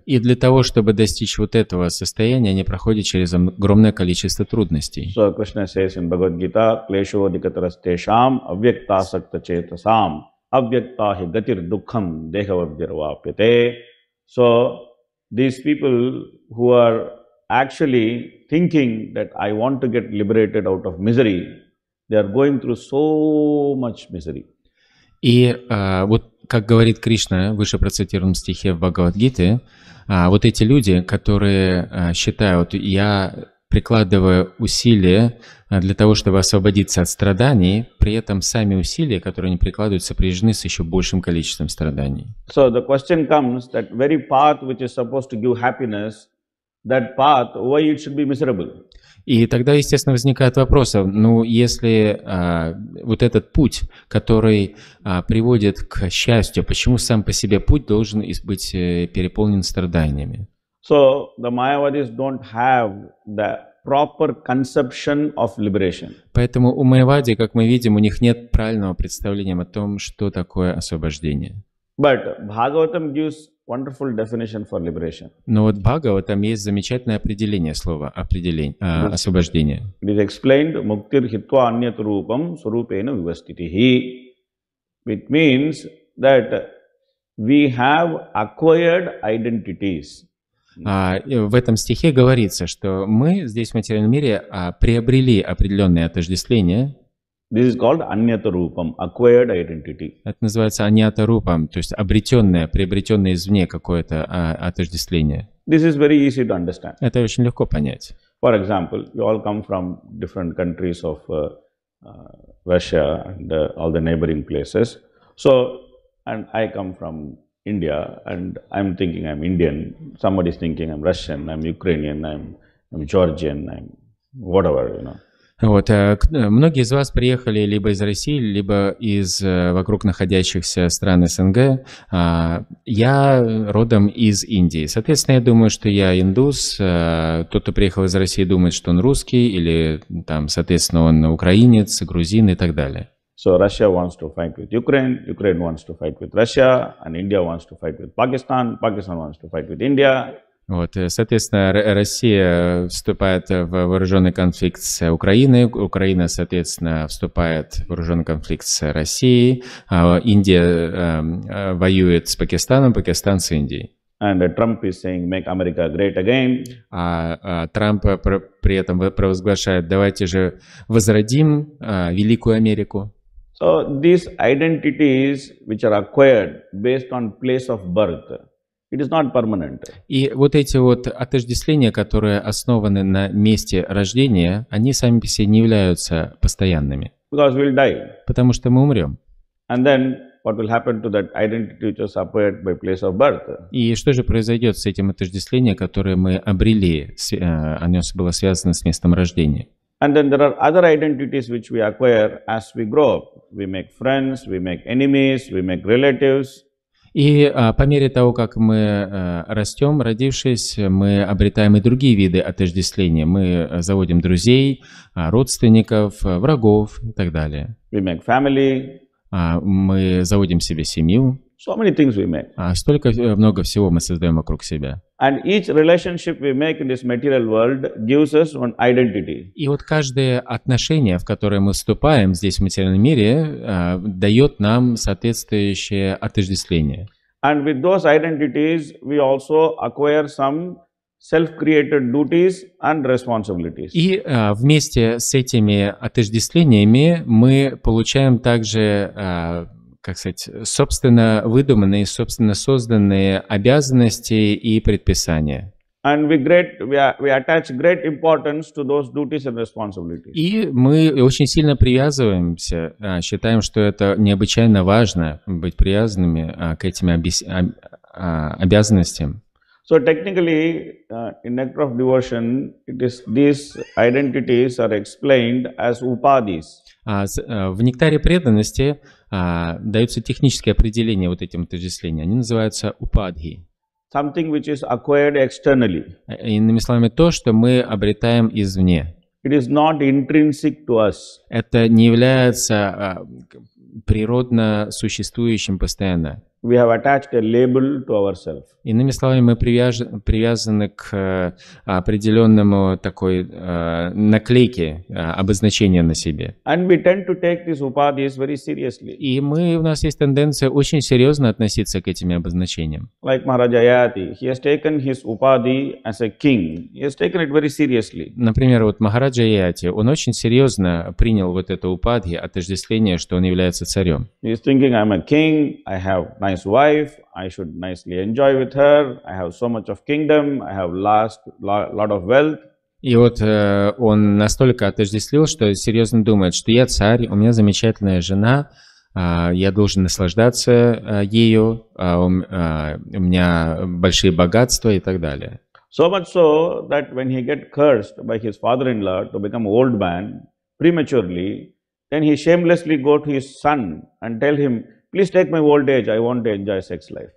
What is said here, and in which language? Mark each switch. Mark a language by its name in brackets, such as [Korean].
[Russian] И для того, чтобы достичь вот этого состояния, они проходят через огромное количество трудностей. [English] So Krishna says in Bhagavad Gita, [Sanskrit] Klesho Dikataraste-sham, Avyakta Sakta Cheta-sam, Avyakta Hi Gatir Dukham, Dehavavdhirvapyate. [English] So these people who are actually thinking that I want to get liberated out of misery, they are going through so much misery. [Russian] И вот как говорит Кришна в выше процитированном стихе в Бхагавад-гите, вот эти люди, которые считают, я прикладываю усилия для того, чтобы освободиться от страданий, при этом сами усилия, которые они прикладывают, сопряжены с еще большим количеством страданий. [English] So the question comes that very path which is supposed to give happiness, that path, why it should be miserable? [Russian] И тогда, естественно, возникает вопрос, ну, если вот этот путь, который приводит к счастью, почему сам по себе путь должен быть переполнен страданиями? [English] So, the Mayavadis don't have the proper conception of liberation. [Russian] Поэтому у Майавади, как мы видим, у них нет правильного представления о том, что такое освобождение. [English] But Bhagavatam gives wonderful definition for liberation. [Russian] Но вот в Бхагаватам есть замечательное определение слова определение, освобождение. [English] It is explained [Sanskrit] muktir hitva anyat rupam swarupena vivastitihi. [English] It means that we have acquired identities. [Russian] В этом стихе говорится, что мы здесь в материальном мире приобрели определенные отождествления. [English] This is called anyatarupam, acquired identity. [Russian] Это называется anyatarupam, то есть обретенное, приобретенное извне какое-то отождествление. [English] This is very easy to understand. [Russian] Это очень легко понять. [English] For example, you all come from different countries of Russia and all the neighboring places. So, and I come from India and I'm thinking I'm Indian. Somebody's thinking I'm Russian, I'm Ukrainian, I'm Georgian, I'm whatever, you know. [Russian] Вот, многие из вас приехали либо из России, либо из вокруг находящихся стран СНГ. Я родом из Индии. Соответственно, я думаю, что я индус. Тот, кто приехал из России, думает, что он русский, или там, соответственно, он украинец, грузин и так далее. [English] So Russia wants to fight with Ukraine, Ukraine wants to fight with Russia, and India wants to fight with Pakistan, Pakistan wants to fight with India. [Russian] Вот, соответственно, Россия вступает в вооруженный конфликт с Украиной, Украина, соответственно, вступает в вооруженный конфликт с Россией, Индия воюет с Пакистаном, Пакистан с Индией. [English] And Trump is saying, make America great again. [Russian] Трамп при этом провозглашает, давайте же возродим Великую Америку. [English] So these identities, which are acquired based on place of birth, it is not permanent. [Russian] И вот эти вот отождествления, которые основаны на месте рождения, они сами по себе не являются постоянными. [English] Because we'll die. [Russian] Потому что мы умрем. [English] And then what will happen to that identity which was acquired by place of birth? [Russian] И что же произойдет с этим отождествлением, которое мы обрели, оно было связано с местом рождения? [English] And then there are other identities which we acquire as we grow up. We make friends, we make enemies, we make relatives. [Russian] И по мере того, как мы растем, родившись, мы обретаем и другие виды отождествления. Мы заводим друзей, родственников, врагов и так далее. [English] We make family. [Russian] Мы заводим себе семью. [English] So many things we make. [Russian] Столько много всего мы создаем вокруг себя. [English] And each relationship we make in this material world gives us one identity. [Russian] И вот каждое отношение, в которое мы вступаем здесь в материальном мире, дает нам соответствующее отождествление. [English] And with those identities we also acquire some self-created duties and responsibilities. [Russian] И вместе с этими отождествлениями мы получаем также как сказать, собственно выдуманные, собственно созданные обязанности и предписания. [English] And we attach great importance to those duties and responsibilities. [Russian] И мы очень сильно привязываемся, считаем, что это необычайно важно быть привязанными к этим обязанностям. [English] So technically, in Nectar of Devotion, it is these identities are explained as upadis. [Russian] В Нектаре преданности дается техническое определение вот этим отождествлениям. Они называются упадхи. [English] Something which is acquired externally. [Russian] Иными словами, то, что мы обретаем извне. [English] It is not intrinsic to us. [Russian] Это не является природно существующим постоянно. [English] We have attached a label to ourselves. [Russian] Иными словами, мы привязаны к определенному такой наклейке, обозначению на себе. [English] And we tend to take these upadis very seriously. [Russian] И мы, у нас есть тенденция очень серьезно относиться к этим обозначениям. [English] Like Maharaja Yayati, he has taken his upadi as a king. He has taken it very seriously. [Russian] Например, вот Махараджа Яяти, он очень серьезно принял вот это упадхи, отождествление, что он является царем. [English] He is thinking, I'm a king, I have nice wife, I should nicely enjoy with her, I have so much of kingdom, I have lot of wealth. [Russian] И вот он настолько отождествил, что серьезно думает, что я царь, у меня замечательная жена, я должен наслаждаться ею, у меня большие богатства и так далее. [English] So much so that when he get cursed by his father-in-law to become old man prematurely, then he shamelessly go to his son and tell him, please take my old age, I want to enjoy sex life.